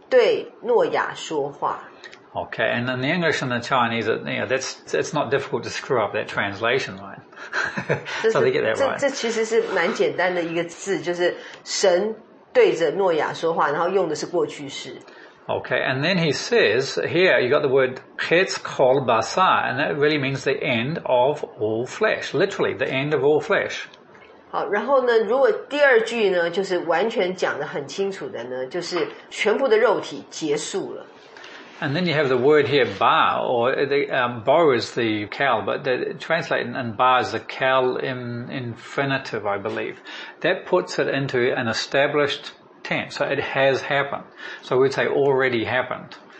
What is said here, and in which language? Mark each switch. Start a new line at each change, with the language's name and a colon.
Chinese: 好，所以呢，其实这个希伯来文一开始是说神对诺亚说话。
English: Okay, and in the English and the Chinese, you know, that's not difficult to screw up that translation, right? So they get that right.
Chinese: 这其实是蛮简单的一个字，就是神对着诺亚说话，然后用的是过去式。
English: Okay, and then he says, here you got the word chetz kol basar, and that really means the end of all flesh. Literally, the end of all flesh.
Chinese: 好，然后呢，如果第二句呢，就是完全讲得很清楚的呢，就是全部的肉体结束了。
English: And then you have the word here bar, or the borrows the kal, but the translating and bar is the kal in infinitive, I believe. That puts it into an established tense, so it has happened. So we'd say already happened.